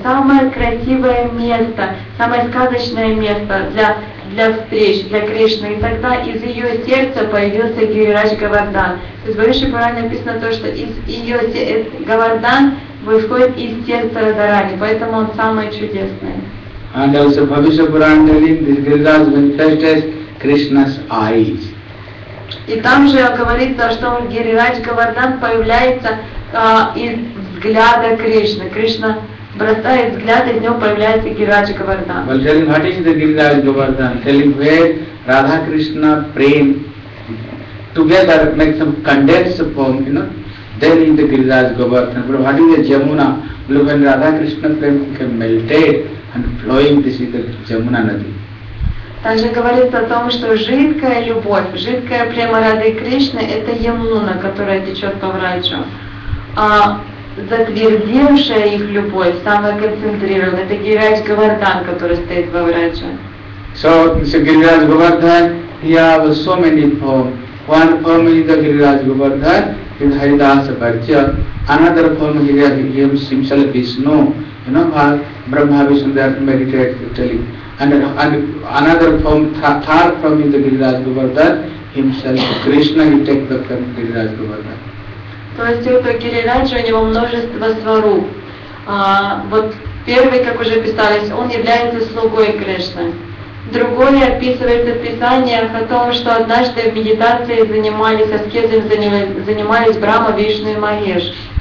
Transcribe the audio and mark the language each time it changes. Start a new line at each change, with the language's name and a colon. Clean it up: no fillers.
Russian: Самое красивое место, самое сказочное место для встреч, для Кришны. И тогда из ее сердца появился Гирираджи Говардан. То есть в Бхавишья Пуране написано то, что из ее Говардан выходит из сердца Радхарани. Поэтому он самый чудесный.
English: And also Bhavishya Purana telling this Giriraj manifested Krishna's eyes.
Russian: И там же говорится, что Гирираджи Говардан появляется из взгляда Кришны. Кришна бросает взгляд, из него появляется Гирираджи Говардан.
English: Well, telling what is the Гирираджи Говардан? Telling where Radha Krishna prem together make some condensed form, you know, then in the Гирираджи Говардан. But what is the Jamuna? Look, when Radha Krishna prem can melted and flowing, this is the Jamuna Nadi.
Russian: Также говорится о том, что жидкая любовь, жидкая према Рады Кришны – это Ямуна, которая течет по Враджу. А затвердевшая их любовь, самая концентрированная – это Гирираджи Говардан, который стоит во Враджу.
English: So, Mr. Giriraj Govardhan, he has so many forms. One form is the Giriraj Govardhan, with Haridasa Bhartya. Another form is Giriraj Govardhan, himself is known. You know, how Brahma Vishnu meditates totally. And another form, third form is the Giriraj Govardhan, himself, Krishna, he takes the form of Giriraj Govardhan.
Russian: То есть, у Гирираджа, у него множество сваруп. Вот первый, как уже писались, он является слугой Кришны. Другое описывается в писаниях о том, что однажды в медитации занимались аскезами, занимались Брахма, Вишну и Махеш.